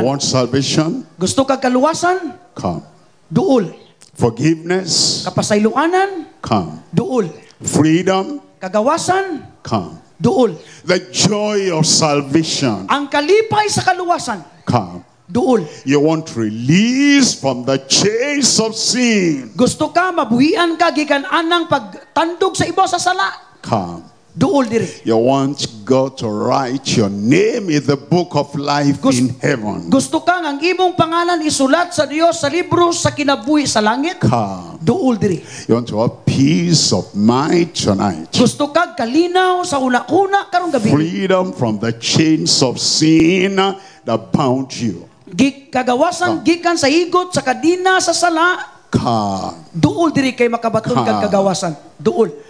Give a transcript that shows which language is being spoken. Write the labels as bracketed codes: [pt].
[en] You want salvation? [ceb] Gusto ka kaluwasan? [en] Come. [ceb] Duol. [en] Forgiveness? [ceb] Kapasaylanan? [en] Come. [ceb] Duol. [en] Freedom? [ceb] Kagawasan? [en] Come. [ceb] Duol. [en] The joy of salvation. [ceb] Ang kalipay sa kaluwasan. [en] Come. [ceb] Duol. [en] You want release from the chains of sin. [ceb] Gusto ka mabuhian ka gikan anang pagtandog sa iba sa sala? [en] Come. [ceb] Duol diri. [en] You want God to write your name in the book of life in heaven. [ceb] Gusto ka ang imong pangalan isulat sa Dios sa libro sa kinabuhi sa langit. [en] Come. [ceb] Duol diri. [en] You want to have peace of mind tonight. [ceb] Gusto ka kalinaw sa una-una karong gabi. [en] Freedom from the chains of sin that bound you. [ceb] Kagawasan gikan sa higot sa kadina sa sala. [en] Come. [ceb] Duol diri kay makabaton kag kagawasan. Duol.